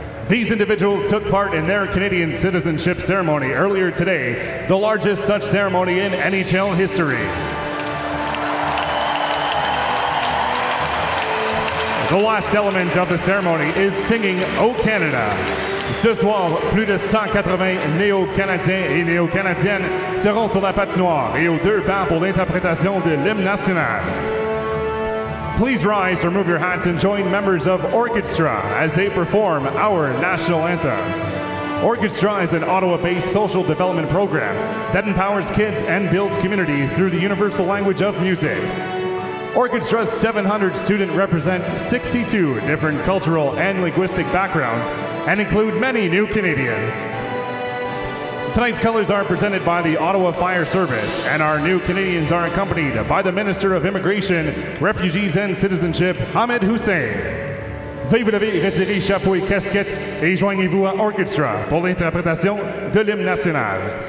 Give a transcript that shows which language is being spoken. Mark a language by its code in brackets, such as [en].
[en] These individuals took part in their Canadian citizenship ceremony earlier today, the largest such ceremony in NHL history. The last element of the ceremony is singing O Canada. [fr] Ce soir, plus de 180 néo-canadiens et néo-canadiennes seront sur la patinoire et aux deux bancs pour l'interprétation de l'hymne national. [en] Please rise, remove your hats, and join members of Orchestra as they perform our national anthem. Orchestra is an Ottawa-based social development program that empowers kids and builds community through the universal language of music. Orchestra's 700 students represent 62 different cultural and linguistic backgrounds and include many new Canadians. Tonight's colors are presented by the Ottawa Fire Service, and our new Canadians are accompanied by the Minister of Immigration, Refugees and Citizenship, Hamed Hussein. [fr] Veuillez vous lever, retirez chapeau et casquette et joignez-vous à Orchestra pour l'interprétation de l'hymne national.